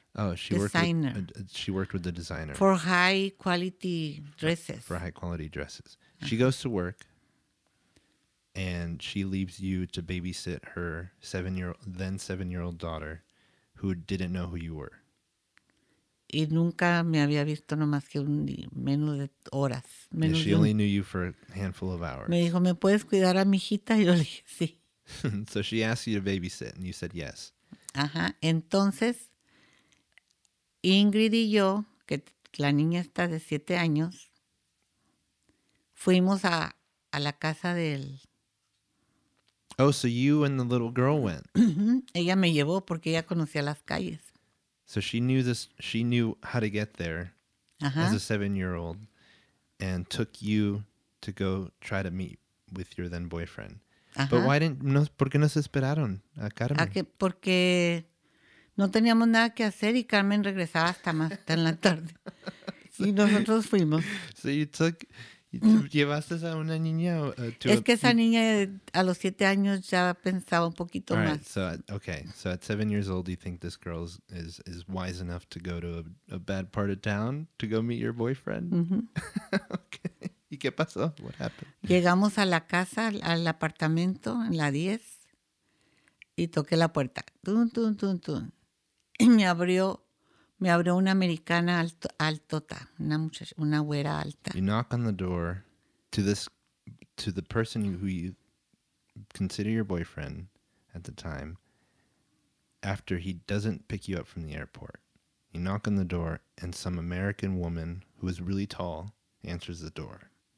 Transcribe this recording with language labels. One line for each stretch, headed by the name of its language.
English: Oh, she worked with the designer. For high quality dresses. For high quality dresses. She goes to work. and she leaves you to babysit her then seven-year-old daughter, who didn't know who you were.
Spanish: Y nunca me había visto nomás que menos de horas. Menos
English: yeah, she only knew you for a handful of hours.
Spanish: Me dijo, ¿me puedes cuidar a mi hijita? Y yo le dije, sí.
English: So she asked you to babysit, and you said yes. Ajá.
Spanish: Entonces, Ingrid y yo, que la niña está de 7 años, fuimos a la casa del...
English: Oh, so you and the little girl went.
Spanish: Ella me llevó porque ella conocía las calles.
English: So she knew this. She knew how to get there uh-huh. as a seven-year-old, and took you to go try to meet with your then boyfriend. Uh-huh. But why didn't?
Spanish: No, ¿por qué no se esperaron a Carmen? Porque no teníamos nada que hacer y Carmen regresaba hasta más hasta en la tarde. So, y nosotros fuimos.
English: So you took.
Spanish: ¿Llevaste a una niña? Es que esa niña a los 7 años ya pensaba un poquito
English: right,
Spanish: más.
English: So, okay, so at 7 years old, do you think this girl is wise enough to go to a bad part of town to go meet your boyfriend? Mm-hmm. Okay.
Spanish: ¿Y qué pasó?
English: What happened?
Spanish: Llegamos a la casa, al apartamento, en la 10, y toqué la puerta. Tun, tun, tun, tun. Y me abrió una americana altota, una muchacha, una güera alta.
English: You knock on the door to the person who you consider your boyfriend at the time after he doesn't pick you up from the airport. You knock on the door and some American woman who is really tall answers the door.